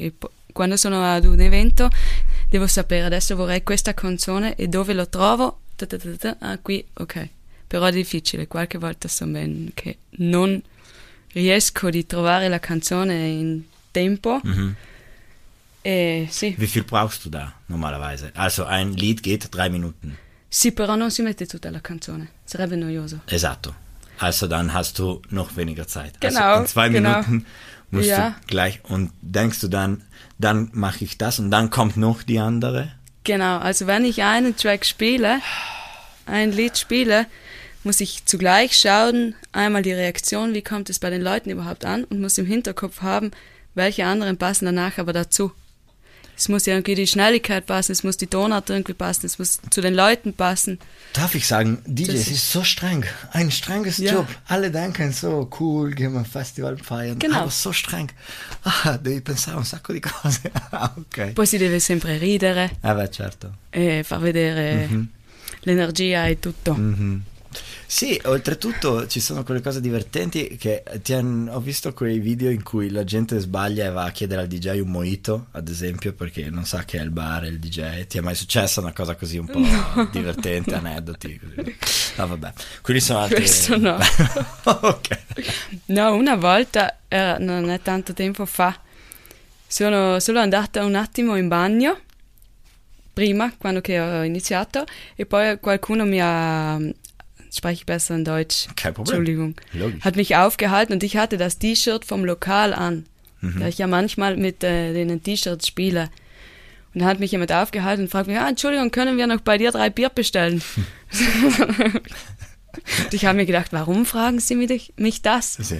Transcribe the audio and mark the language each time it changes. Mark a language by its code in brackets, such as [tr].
[it] E quando sono ad un evento... devo sapere, adesso vorrei questa canzone e dove lo trovo? Qui, ok. Però è difficile, qualche volta so bene che non riesco di trovare la canzone in tempo. E sì. [de] Wie viel brauchst du da normalerweise? Also ein Lied geht 3 Minuten. [it] Sì, però non si mette tutta la canzone, sarebbe noioso. Esatto. [de] Also dann hast du noch weniger Zeit. Genau, also in 2 genau. Minuten musst du gleich und denkst du dann... dann mache ich das und dann kommt noch die andere. Genau, also wenn ich einen Track spiele, ein Lied spiele, muss ich zugleich schauen, einmal die Reaktion, wie kommt es bei den Leuten überhaupt an, und muss im Hinterkopf haben, welche anderen passen danach aber dazu. Es muss ja irgendwie die Schnelligkeit passen, es muss die Tonart irgendwie passen, es muss zu den Leuten passen. Darf ich sagen, DJ, es ist so streng, ein strenges Job. Alle denken so, cool, gehen wir ein Festival feiern, genau. Aber so streng. [it] Ah, devi pensare un sacco di cose. Okay. Poi si deve sempre ridere. Ah, beh, certo. E far vedere l'energia e tutto. Sì, oltretutto ci sono quelle cose divertenti che ho visto quei video in cui la gente sbaglia e va a chiedere al DJ un mojito, ad esempio, perché non sa che è il bar e il DJ. Ti è mai successa una cosa così un po' divertente, aneddoti? No, vabbè. Quindi sono altri... Questo no. Ok. No, una volta, non è tanto tempo fa, sono solo andata un attimo in bagno, prima, quando che ho iniziato, e poi qualcuno mi ha... [de] spreche ich besser in Deutsch. Kein Problem. Entschuldigung. Logisch. Hat mich aufgehalten und ich hatte das T-Shirt vom Lokal an, da ich ja manchmal mit denen T-Shirts spiele. Und da hat mich jemand aufgehalten und fragt mich, ah, Entschuldigung, können wir noch bei dir 3 Bier bestellen? Und ich habe mir gedacht, warum fragen sie mich das?